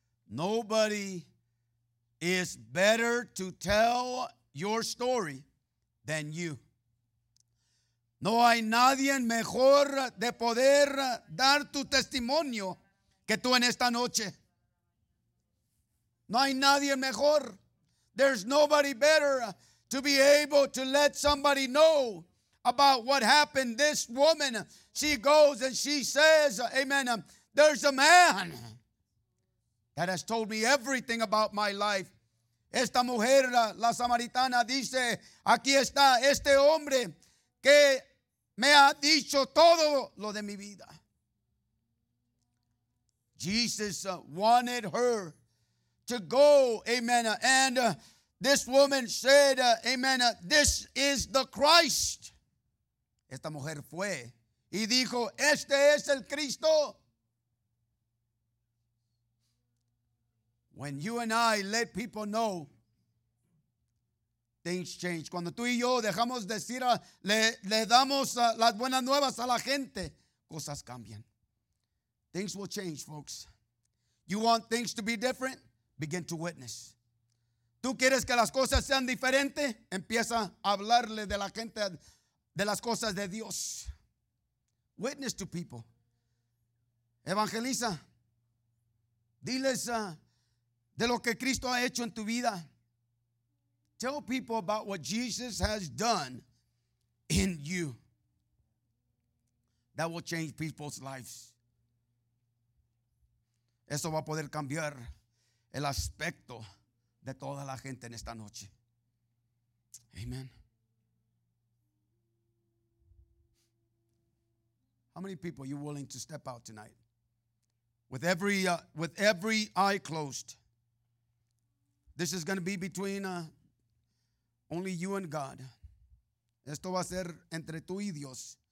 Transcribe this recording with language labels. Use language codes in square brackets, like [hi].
[en] Nobody is better to tell your story than you. [es] No hay nadie mejor de poder dar tu testimonio que tú en esta noche. No hay nadie mejor. [en] There's nobody better to be able to let somebody know about what happened. This woman, she goes and she says, amen, there's a man that has told me everything about my life. [es] Esta mujer, la samaritana, dice, aquí está este hombre que me ha dicho todo lo de mi vida. [en] Jesus wanted her to go, amen. And this woman said, amen, this is the Christ. [es] Esta mujer fue y dijo, este es el Cristo. [en] When you and I let people know, things change. [es] Cuando tú y yo dejamos decir, le damos las buenas nuevas a la gente, cosas cambian. [en] Things will change, folks. You want things to be different? Begin to witness. [es] ¿Tú quieres que las cosas sean diferentes? Empieza a hablarle de la gente, de las cosas de Dios. [en] Witness to people. [es] Evangeliza. Diles de lo que Cristo ha hecho en tu vida. [en] Tell people about what Jesus has done in you. That will change people's lives. [es] Eso va a poder cambiar el aspecto de toda la gente en esta noche. [en] Amen. How many people are you willing to step out tonight? With every eye closed. This is going to be between only you and God. [es] Esto va a ser entre tú y Dios.